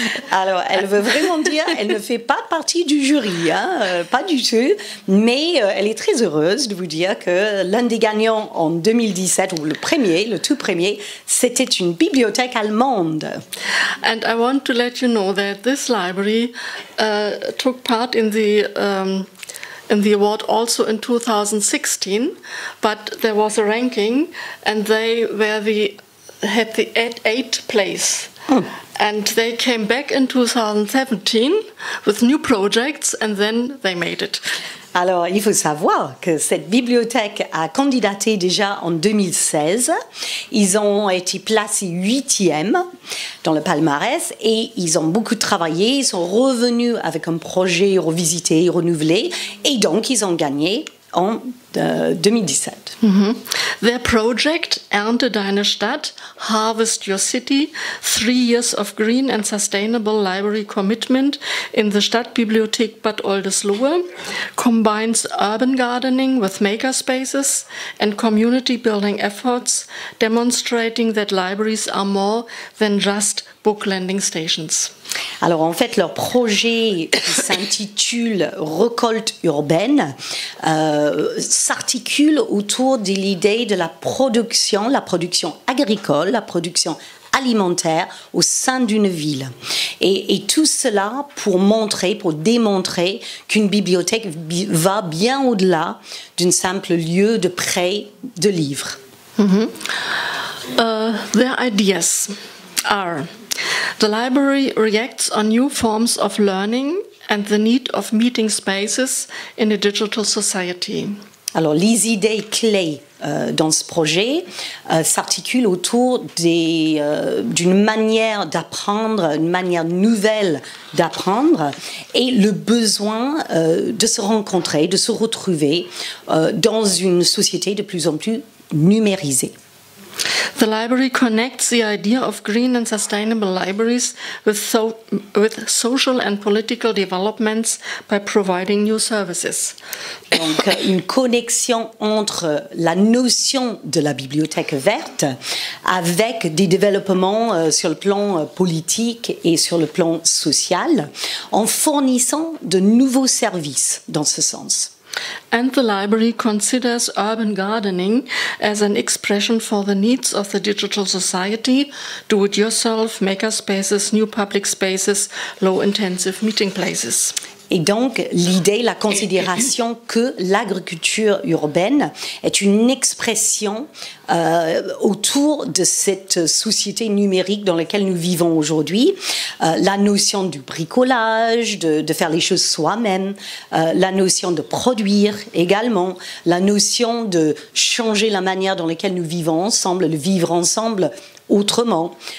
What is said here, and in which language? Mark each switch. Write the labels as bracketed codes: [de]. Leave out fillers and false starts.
[fr] Alors, elle veut vraiment dire qu'elle ne fait pas partie du jury, hein, pas du tout. Mais elle est très heureuse de vous dire que l'un des gagnants en 2017, ou le tout premier, c'était une bibliothèque allemande. [en] And I want to let you know that this library took part in the in the award also in 2016, but there was a ranking and they were had the 8th place. Oh. And they came back in 2017 with new projects and then they made it. [fr] Alors, il faut savoir que cette bibliothèque a candidaté déjà en 2016. Ils ont été placés 8e dans le palmarès et ils ont beaucoup travaillé. Ils sont revenus avec un projet revisité, renouvelé et donc ils ont gagné en 2017. Mm-hmm. [en] Their project, Ernte deine Stadt, Harvest Your City, 3 years of green and sustainable library commitment in the Stadtbibliothek Bad Oldesloe, combines urban gardening with makerspaces and community building efforts, demonstrating that libraries are more than just book lending stations. [fr] Alors, en fait, leur projet s'intitule « Récolte urbaine s'articule autour de l'idée de la production agricole, la production alimentaire au sein d'une ville. Et tout cela pour montrer, pour démontrer qu'une bibliothèque va bien au-delà d'un simple lieu de prêt de livres. [en] Their ideas are: the library reacts on new forms of learning and the need of meeting spaces in a digital society. [fr] Alors, les idées clés dans ce projet s'articulent autour d'une manière d'apprendre, une manière nouvelle d'apprendre, et le besoin de se rencontrer, de se retrouver dans une société de plus en plus numérisée. [en] The library connects the idea of green and sustainable libraries with social and political developments by providing new services. [fr] Donc, une connexion entre la notion de la bibliothèque verte avec des développements sur le plan politique et sur le plan social, en fournissant de nouveaux services dans ce sens. [en] And the library considers urban gardening as an expression for the needs of the digital society: do-it-yourself, makerspaces, new public spaces, low-intensive meeting places. [fr] Et donc, l'idée, la considération que l'agriculture urbaine est une expression autour de cette société numérique dans laquelle nous vivons aujourd'hui. La notion du bricolage, de faire les choses soi-même, la notion de produire également, la notion de changer la manière dans laquelle nous vivons ensemble, le vivre ensemble autrement.